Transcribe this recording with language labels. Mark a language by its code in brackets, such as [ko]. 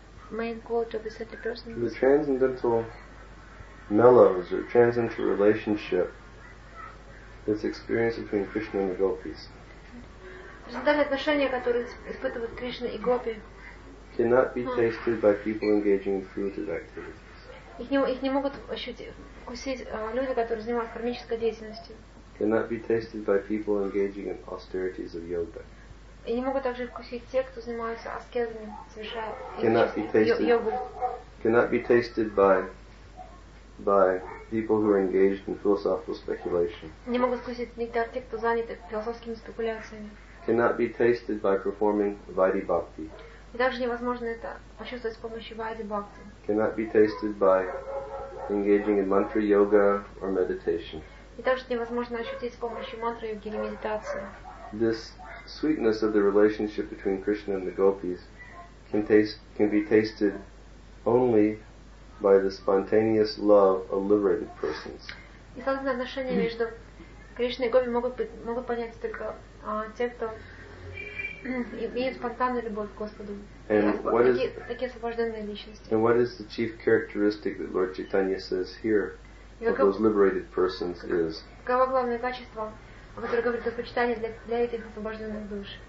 [en] Main quality of the certain person. The transcendental mellows or transcendental relationship that's experienced between Krishna and the gopis. [ru] Трансцендентные отношения, которые испытывают Кришна и гопи, [en] cannot be tasted by people engaging in fruitive activities. [ru] Их не могут вкусить люди, которые занимаются кармической деятельностью. [en] Cannot be tasted by people engaging in austerities of yoga. [ru] И не могут также вкусить те, кто занимаются аскезами, совершая йогу. [en] Cannot be tasted by people who are engaged in philosophical speculation. [ru] Не могут вкусить нектар те, кто заняты философскими спекуляциями. [en] cannot be tasted by performing Vaidhi Bhakti. [ru] Также невозможно это почувствовать с помощью Vaidhi Bhakti. [en] Cannot be tasted by engaging in mantra yoga or meditation. [ru] И также невозможно ощутить с помощью мантры йоги или медитации. [en] This sweetness of the relationship between Krishna and the gopis can be tasted only by the spontaneous love of liberated persons. [ru] И сладостные отношения между Кришной и Гопи могут понять только те, кто имеет спонтанную любовь к Господу. Такие освобожденные личности. [en] And what is the chief characteristic that Lord Chaitanya says here? Of those liberated persons is. [ru] Какое главное качество, о котором говорит предпочитание для этих освобожденных душ?